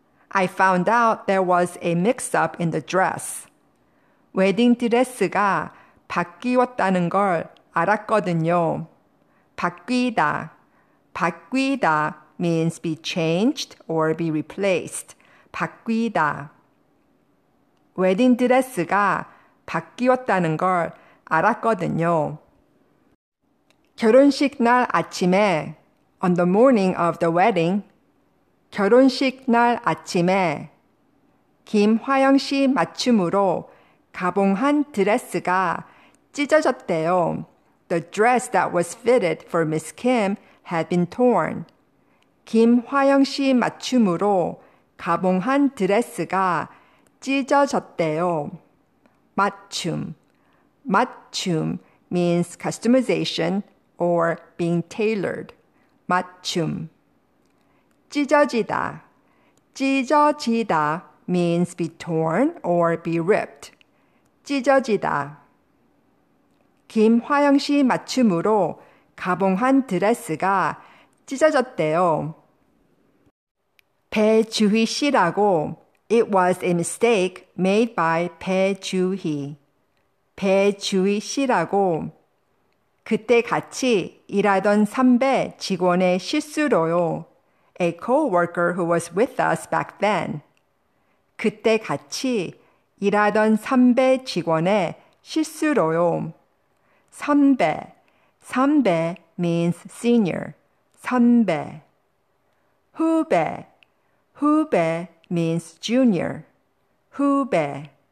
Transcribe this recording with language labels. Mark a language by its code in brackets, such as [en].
[en] I found out there was a mix-up in the dress. [ko] 웨딩 드레스가 바뀌었다는 걸 알았거든요. [en] 바뀌다. 바뀌다 means be changed or be replaced. 바뀌다. [ko] 웨딩 드레스가 바뀌었다는 걸 알았거든요. 결혼식 날 아침에 [en] On the morning of the wedding [ko] 결혼식 날 아침에 김화영 씨 맞춤으로 가봉 한 드레스가 찢어졌대요. [en] The dress that was fitted for Miss Kim had been torn. [ko] 김화영 씨 맞춤으로 가봉 한 드레스가 찢어졌대요. [en] 맞춤. 맞춤 means customization or being tailored. 맞춤. 찢어지다. 찢어지다 means be torn or be ripped. 찢어지다. [ko] 김화영 씨 맞춤으로 가봉 한 드레스가 찢어졌대요. [en] 배주희 씨라고 It was a mistake made by 배주희. [ko] 배주희 씨라고 그때 같이 일하던 선배 직원의 실수로요. [en] A co-worker who was with us back then. [ko] 그때 같이 일하던 선배 직원의 실수로요. [en] 선배, 선배 means senior, 선배. 후배, 후배 means junior, 후배.